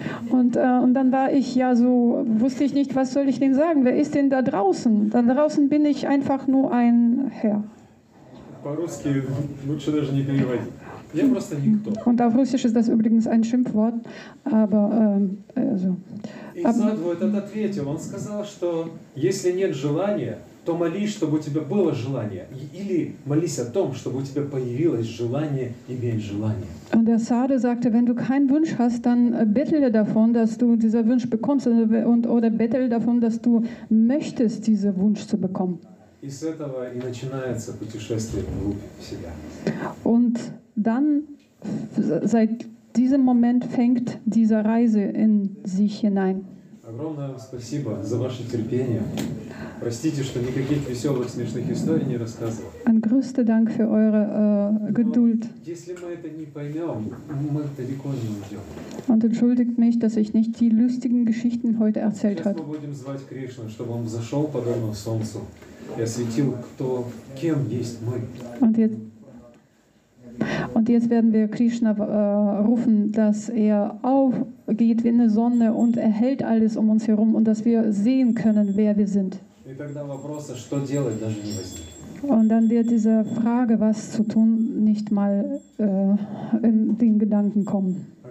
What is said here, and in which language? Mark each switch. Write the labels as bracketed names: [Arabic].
[German] Und dann war ich ja so, wusste ich nicht, was soll ich denn sagen? Wer ist denn da draußen? Da draußen bin ich einfach nur ein Herr. [Russian] По-русски лучше даже не переводить. Я просто никто. [German] Und auf Russisch ist das übrigens ein Schimpfwort. Aber also. [Russian] Садху этот ответил. Он сказал, что если нет желания, то молись, чтобы у тебя было желание. Или молись о том, чтобы у тебя появилось желание иметь желание. [German] Und der Sadhu sagte, wenn du keinen Wunsch hast, dann bettele davon, dass du diesen Wunsch bekommst, oder bettele davon, dass du möchtest, diesen Wunsch zu bekommen. [Russian] И с этого и начинается путешествие вглубь себя. [German] Und dann, seit diesem Moment, fängt diese Reise in sich hinein. [Russian] Огромное вам спасибо за ваше терпение. Простите, что никаких веселых, смешных историй не рассказывал. [German] Ein größter Dank für eure Geduld. [Russian] Но, если мы это не поймем, мы далеко не уйдем. [German] Und entschuldigt mich, dass ich nicht die lustigen Geschichten heute erzählt habe. [Russian] Сейчас мы будем звать Кришну, чтобы он зашел подобно солнцу и осветил, кто, кем есть мы. [German] Und jetzt werden wir Krishna rufen, dass er aufgeht wie eine Sonne und erhält alles um uns herum und dass wir sehen können, wer wir sind. Und dann wird diese Frage, was zu tun, nicht mal in den Gedanken kommen.